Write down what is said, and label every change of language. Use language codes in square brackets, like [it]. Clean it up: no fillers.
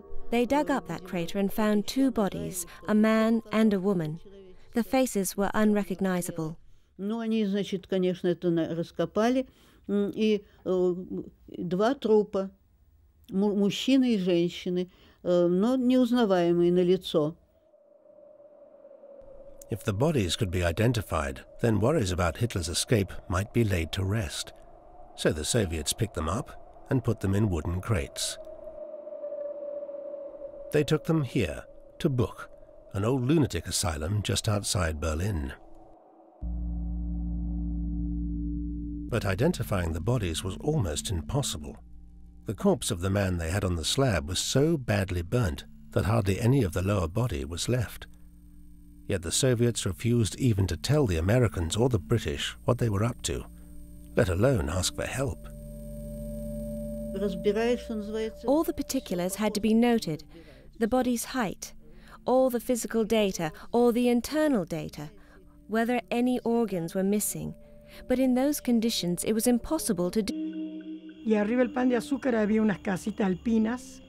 [en] They dug up that crater and found two bodies, a man and a woman. The faces were unrecognizable. [ru] Ну, они, значит, конечно, это раскопали, и два трупа, мужчины и женщины, но неузнаваемые на лицо. [en] If the bodies could be identified, then worries about Hitler's escape might be laid to rest. So the Soviets picked them up and put them in wooden crates. They took them here, to Buch, an old lunatic asylum just outside Berlin. But identifying the bodies was almost impossible. The corpse of the man they had on the slab was so badly burnt that hardly any of the lower body was left. Yet the Soviets refused even to tell the Americans or the British what they were up to, let alone ask for help. All the particulars had to be noted, the body's height, all the physical data, all the internal data, whether any organs were missing. But in those conditions, it was impossible to do. [es] Y arriba el pan de azúcar había unas casitas alpinas.